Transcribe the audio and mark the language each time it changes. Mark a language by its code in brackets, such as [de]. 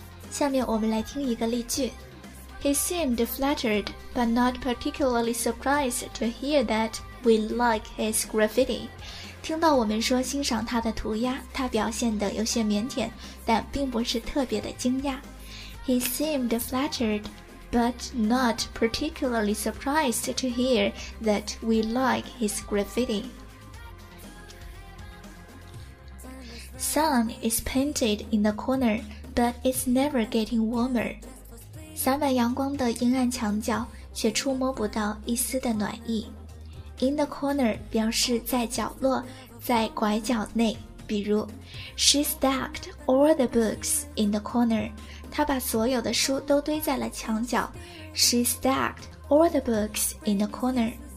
[zh] 下面我们来听一个例句。 [en] He seemed flattered, but not particularly surprised to hear that we like his graffiti. [zh] 听到我们说欣赏他的涂鸦，他表现得有些腼腆，但并不是特别的惊讶。 [en] He seemed flattered, but not particularly surprised to hear that we like his graffiti. Sun is painted in the corner, but it's never getting warmer. [zh] 洒满阳光的阴暗墙角，却触摸不到一丝的暖意。 [en] In the corner [zh] 表示在角落，在拐角内。比如 [en] ，She stacked all the books in the corner. [zh] 她把所有的书都堆在了墙角。 [en] She stacked all the books in the corner.